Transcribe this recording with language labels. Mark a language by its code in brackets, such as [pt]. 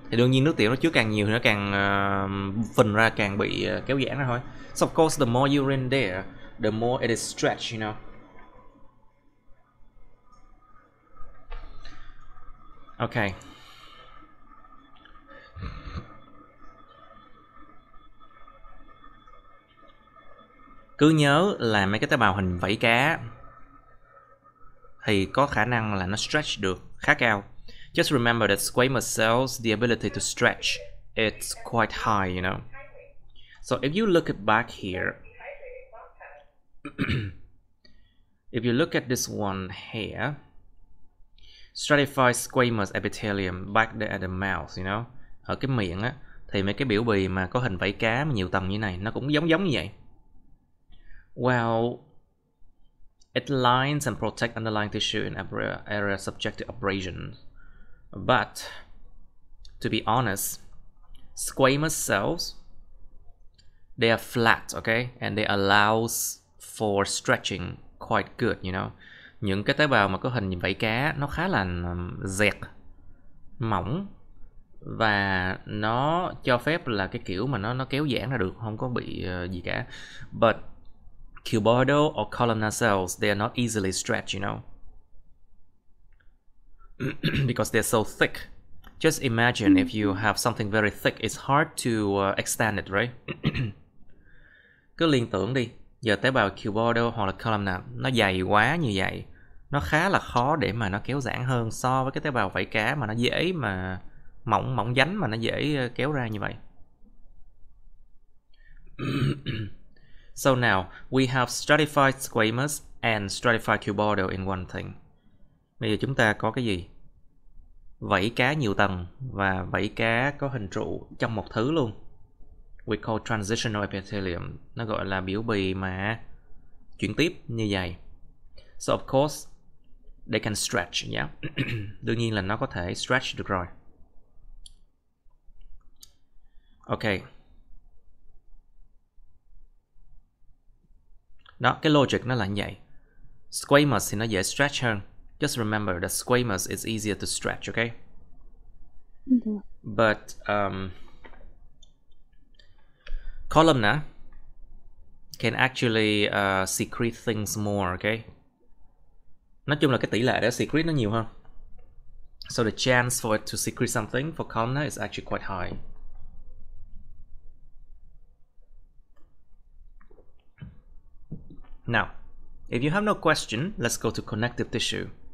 [vi] Thì đương nhiên nước tiểu nó chứa càng nhiều thì nó càng phình ra, càng bị kéo giãn ra thôi. [en] So of course the more urine there, the more it is stretched, you know. Okay. [vi] Cứ nhớ là mấy cái tế bào hình vảy cá thì có khả năng là nó stretch được khá cao. [en] Just remember that squamous cells, the ability to stretch, it's quite high, you know. So if you look back here, if you look at this one here, stratified squamous epithelium back there at the mouth, you know, [vi] ở cái miệng á, thì mấy cái biểu bì mà có hình vảy cá mà nhiều tầng như này, nó cũng giống như vậy. [en] Well, it lines and protects underlying tissue in area subject to abrasion. But, to be honest, squamous cells, they are flat, okay? And they allows for stretching quite good, you know? [vi] Những cái tế bào mà có hình vảy cá, nó khá là dẹt, mỏng. Và nó cho phép là cái kiểu mà nó kéo giãn ra được, không có bị gì cả. [en] But cuboidal or columnar cells, they are not easily stretched, you know? Because they're so thick. Just imagine if you have something very thick, it's hard to extend it, right? [vi] Cứ liên tưởng đi. Giờ tế bào cuboidal hoặc là columnar nó dày quá như vậy, nó khá là khó để mà nó kéo giãn hơn so với cái tế bào vảy cá mà nó dễ mà mỏng dánh mà nó dễ kéo ra như vậy. [en] So now we have stratified squamous and stratified cuboidal in one thing. [vi] Bây giờ chúng ta có cái gì? Vảy cá nhiều tầng và vảy cá có hình trụ trong một thứ luôn. [en] We call transitional epithelium. [vi] Nó gọi là biểu bì mà chuyển tiếp như vậy. [en] So of course, they can stretch, yeah? [vi] Đương nhiên là nó có thể stretch được rồi. [en] Okay. [vi] Đó, cái logic nó là như vậy. Squamous thì nó dễ stretch hơn. [en] Just remember that squamous is easier to stretch, okay? Mm-hmm. But columnar can actually secrete things more, okay? [vi] Nói chung là cái tỷ lệ để secrete nó nhiều hơn. [en] So the chance for it to secrete something for columnar is actually quite high. Now, if you have no question, let's go to connective tissue.